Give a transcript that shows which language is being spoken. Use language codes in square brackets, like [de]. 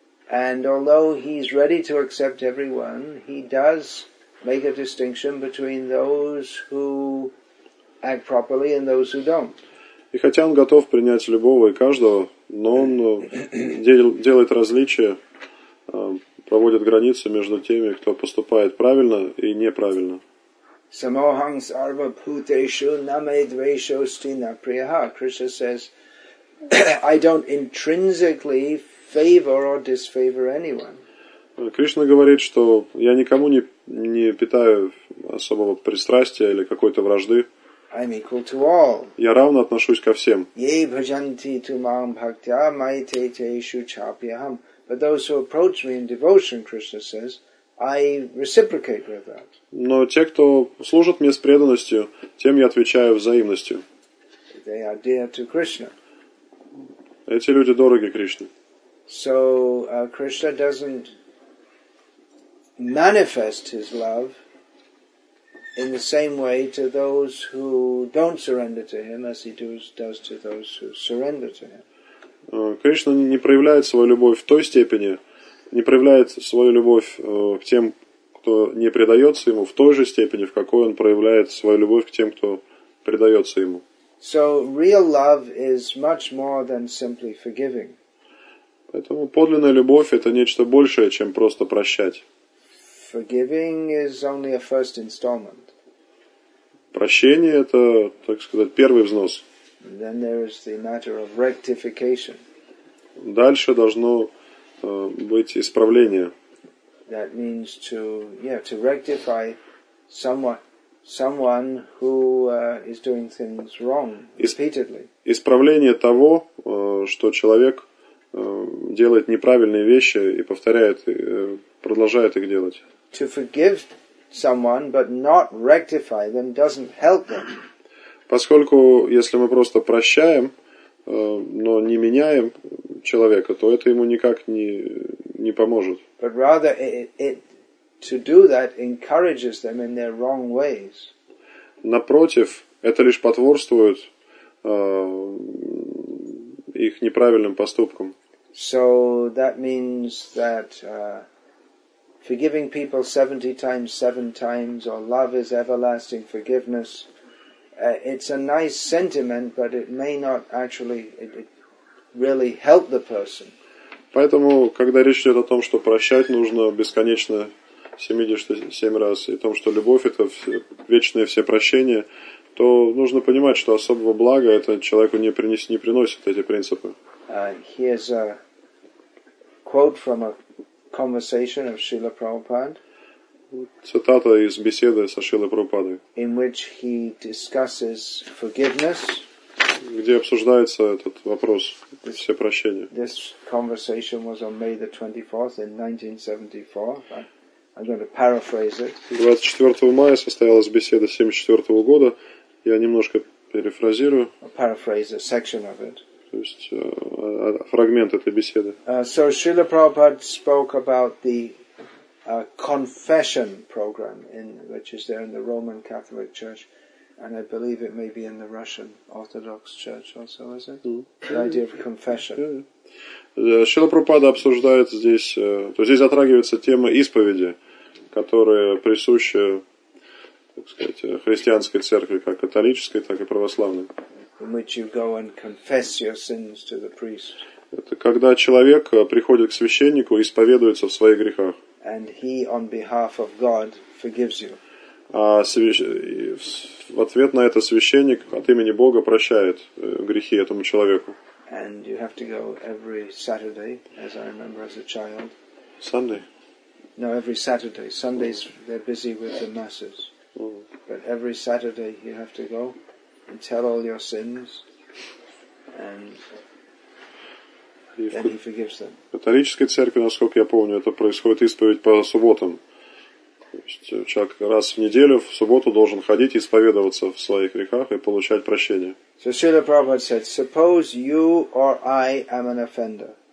[en] And although he's ready to accept everyone, he does make a distinction between those who act properly and those who don't. [ru] И хотя он готов принять любого и каждого, но он делает различия, проводит границы между теми, кто поступает правильно и неправильно. [sa] Samohang sarva bhuteshu name dveshosti na priyaha. [en] Krishna says, I don't intrinsically favor or disfavor anyone. [ru] Кришна говорит, что я никому не питаю особого пристрастия или какой-то вражды. [en] I'm equal to all. [ru] Я равно отношусь ко всем. [sa] Ye bhajanti tumam bhaktya mai te teshu chapyaham. [en] But those who approach me in devotion, Krishna says, I reciprocate with that. [ru] Но те, кто служат мне с преданностью, тем я отвечаю взаимностью. [en] They are dear to Krishna. [ru] Эти люди дороги Кришне. [en] So Krishna doesn't manifest his love in the same way to those who don't surrender to him as he does to those who surrender to him. [ru] Кришна не проявляет свою любовь в той степени, не проявляет свою любовь к тем, кто не предается ему, в той же степени, в какой он проявляет свою любовь к тем, кто предается ему. [en] So, real love is much more than simply forgiving. [ru] Поэтому подлинная любовь – это нечто большее, чем просто прощать. [en] Forgiving is only a first installment. [ru] Прощение – это, так сказать, первый взнос. [en] Then there is the matter of rectification. [ru] Дальше должно быть исправление. [en] That means to rectify someone who is doing things wrong repeatedly. [ru] Исправление того, что человек делает неправильные вещи и повторяет, продолжает их делать. [en] To forgive someone but not rectify them doesn't help them. [ru] Поскольку если мы просто прощаем, но не меняем человека, то это ему никак не поможет. [en] But rather it to do that encourages them in their wrong ways. [ru] Напротив, это лишь потворствует их неправильным поступкам. [en] So that means that forgiving people 70 times, 7 times, or love is everlasting forgiveness. It's a nice sentiment, but it may not actually really help the person. [ru] Поэтому, когда речь идет о том, что прощать нужно бесконечно 77 раз, и о том, что любовь – это вечное всепрощение, то нужно понимать, что особого блага это человеку не приносит эти принципы. [en] Here's a quote from a conversation of Srila Prabhupada. [ru] Цитата из беседы со Шрилой Прабхупадой. [en] In which he discusses forgiveness. [ru] Где обсуждается этот вопрос, все прощения. [en] This conversation was on May the 24th in 1974. I'm going to paraphrase it. [ru] 24 мая состоялась беседа 1974 года. Я немножко перефразирую. [en] I'll paraphrase a section of it. [ru] То есть фрагмент этой беседы. [en] So Srila Prabhupada spoke about the confession program, in which is there in the Roman Catholic Church, and I believe it may be in the Russian Orthodox Church also, is it? The idea of confession. [ru] Шрила Прабхупада обсуждает здесь, то есть здесь затрагивается тема исповеди, которая присуща, так сказать, христианской церкви, как католической, так и православной. [en] In which you go and confess your sins to the priest. [ru] Это когда человек приходит к священнику и исповедуется в своих грехах. [en] And he, on behalf of God, forgives you. [ru] В ответ на это священник от имени Бога прощает грехи этому человеку. [en] And you have to go every Saturday, as I remember as a child. Sunday. No, every Saturday. Sundays they're busy with the masses. But every Saturday you have to go and tell all your sins, and [ru] в католической церкви, насколько я помню, это происходит исповедь по субботам. То есть человек раз в неделю в субботу должен ходить и исповедоваться в своих грехах и получать прощение. [en] So Srila Prabhupada said, suppose you or I am an offender.